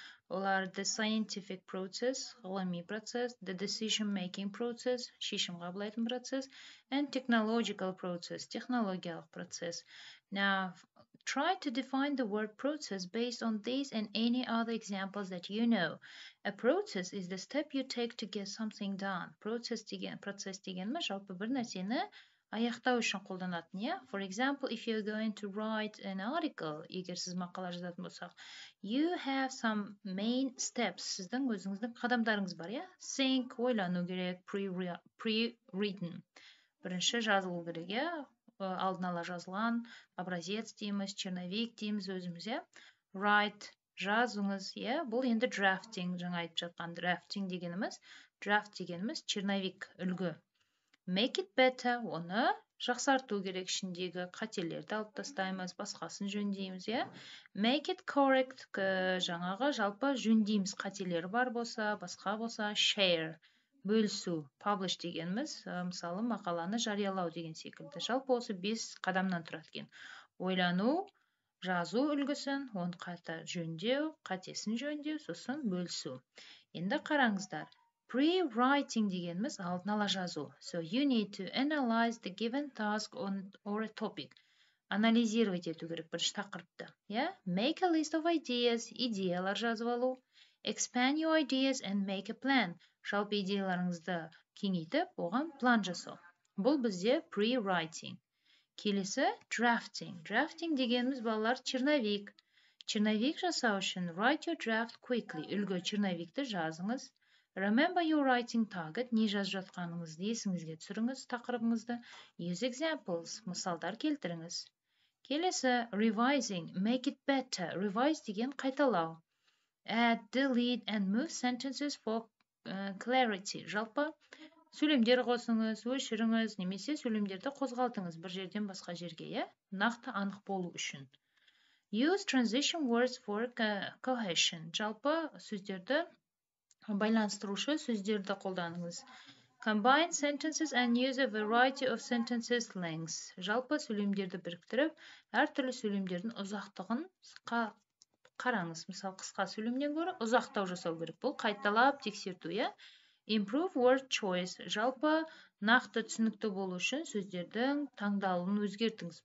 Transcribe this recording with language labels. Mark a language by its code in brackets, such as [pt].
[kk] Олар [en] the scientific process, [kk] ғылыми процесс, [en] the decision making process, [kk] шешім қабылдайтын процесс, [en] and technological process, [kk] технологиялық процесс. [en] Now, try to define the word process based on these and any other examples that you know. A process is the step you take to get something done. [kk] Процесс деген ма, жалпы бір нәрсені аяқтау үшін қолданатын, yeah? [en] For example, if you're going to write an article, [kk] егер сіз мақала жазатын болсақ, [en] you have some main steps, [kk] сіздің өзіңіздің қадамдарыңыз бар, [en] yeah? [kk] Think, ойлану керек, pre-written. Бірінші жазылу керек, yeah? Алдын ала жазылған, образец дейміз, черновик дейміз өзіміз, yeah? Write, жазыңыз, yeah? Бұл енді drafting, жаңа айтып жатқан drafting дегеніміз, draft дегеніміз черновик үлгі. [en] Make it better, [kk] оны жақсарту керек ішіндегі қателерді алып тастаймыз, басқасын жөндейміз, иә? [en] Make it correct, [kk] жаңағы жалпы жөндейміз қателері бар болса, басқа болса, share, бөлісу, publish дегеніміз, мысалы, мақаланы жариялау деген секілді. Жалпы осы 5 қадамнан тұрады екен. Ойлану, жазу үлгісін, оны қайта жөндеу, қатесін жөндеу, сосын бөлісу. Енді қараңыздар. Pre-writing дегеніміз алдын ала жазу. [en] So you need to analyze the given task or a topic. [kk] Анализировать ету керек бірінші тақырыпты. [en] Yeah? Make a list of ideas, [kk] идеялар жазып алу. [en] Expand your ideas and make a plan. [kk] Жалпы идеяларыңызды кеңейтіп, оған план жасау. Бұл бізде pre-writing. Келесі drafting. Drafting дегеніміз балалар черновик. Черновик жасау үшін [en] write your draft quickly. [kk] Үлгі черновикті жазыңыз. [en] Remember your writing target, [kk] не жазып жатқаныңызды есіңізге түсіріңіз тақырыбыңызды. [en] Use examples, [kk] мысалдар келтіріңіз. [en] Келесі, revising, make it better, revise [kk] деген қайталау. [en] Add, delete and move sentences for clarity. [kk] Жалпы, сөйлемдер қосыңыз, өшіріңіз, немесе сөйлемдерді қозғалтыңыз бір жерден басқа жерге, е? Нақты анық болу үшін. [en] Use transition words for cohesion. [kk] Жалпы, сөздерді байланыстырушы сөздерді қолданыңыз. [en] Combine sentences and use a variety of sentences lengths. [kk] Жалпы сөйлемдерді біріктіріп, әр түрлі сөйлемдердің ұзақтығын қараңыз. Мысал, қысқа сөйлемнен көрі ұзақтау жасау керек. Бұл қайталап тексерту, иә? [en] Improve word choice. [kk] Жалпы нақты түсінікті болу үшін сөздердің таңдалуын өзгертіңіз.